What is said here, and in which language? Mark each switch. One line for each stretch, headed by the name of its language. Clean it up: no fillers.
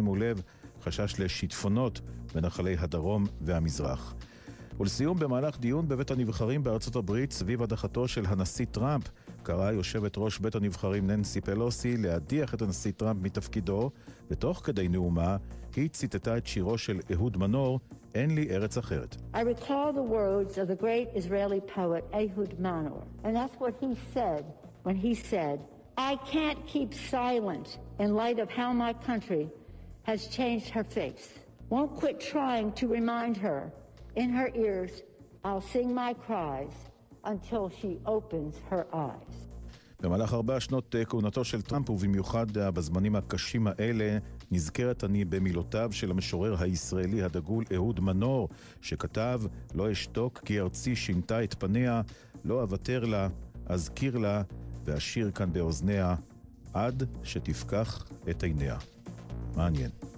Hebrew: שימו לב, חשש לשיטפונות בנחלי הדרום והמזרח. ולסיום, במהלך דיון בבית הנבחרים בארצות הברית סביב הדחתו של הנשיא טראמפ, קרא יושבת ראש בית הנבחרים ננסי פלוסי להדיח את הנשיא טראמפ מתפקידו, ותוך כדי נאומה היא ציטטה את שירו של אהוד מנור, אין לי ארץ אחרת.
English: I recall the words of the great Israeli poet Ehud Manor, and that's what he said when he said, I can't keep silent in light of how my country has changed her face. Won't quit trying to remind her in her ears, I'll sing my cries until she opens her eyes.
Hebrew: במהלך 4 שנות כהונתו של טראמפ, ובמיוחד בזמנים הקשים האלה, נזכרת אני במילותיו של המשורר הישראלי הדגול אהוד מנור, שכתב, לא אשתוק כי ארצי שינתה את פניה, לא אבטר לה, אזכיר לה, ואשיר כאן באוזניה, עד שתפקח את עיניה. מעניין.